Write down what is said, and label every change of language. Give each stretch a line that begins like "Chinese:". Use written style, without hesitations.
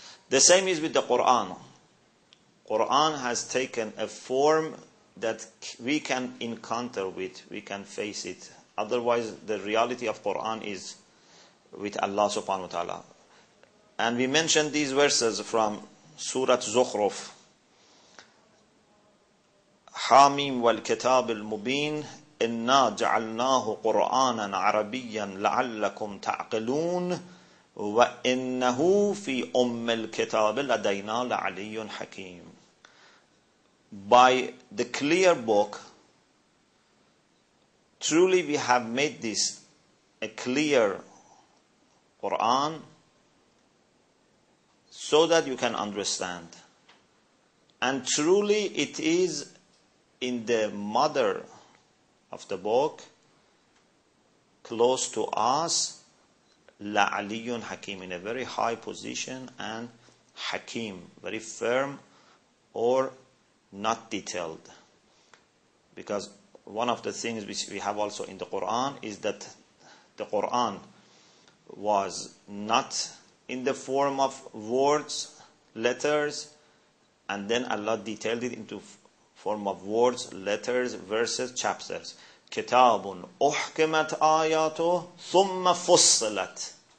English: The same is with the Quran. Quran has taken a form that we can encounter with, we can face it. Otherwise, the reality of Quran is with Allah subhanahu wa ta'ala. And we mentioned these verses from Surah Zukhruf.
Arabic: حاميم والكتاب المبين إنا جعلناه قرآنا عربيا لعلكم تعقلون وإنه في أم الكتاب لدينا لعلي حكيم.
English: By the clear book, truly we have made this a clear Quran so that you can understand. And truly it is in the mother of the book, close to us, La'aliyun Hakim, in a very high position, and Hakim, very firm or not detailed. Because one of the things which we have also in the Quran is that the Quran was not in the form of words, letters, and then Allah detailed it into form of words, letters, verses, chapters.
Arabic: كِتَابٌ أُحْكِمَتْ آيَاتُهُ ثُمَّ فُصِّلَتْ.